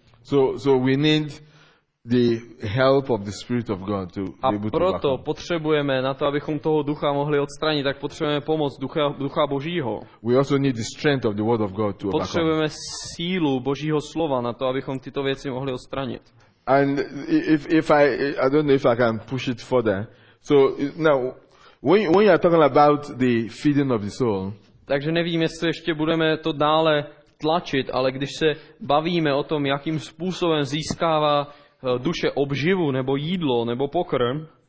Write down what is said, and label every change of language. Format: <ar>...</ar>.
<en>So we need the help of the Spirit of God to be able to overcome.</en> <cs>A proto potřebujeme na to, abychom toho ducha mohli odstranit, tak potřebujeme pomoc ducha Božího.</cs> <en>We also need the strength of the Word of God to overcome.</en> <cs>Potřebujeme sílu Božího slova na to, abychom tyto věci mohli odstranit.</cs> <en>And if I don't know if I can push it further. So now when you are talking about the feeding of the soul.</en> <cs>Takže nevím, jestli ještě budeme to dále tlačit, ale když se bavíme o tom, jakým způsobem získává duše obživu nebo jídlo nebo pokrm.</cs>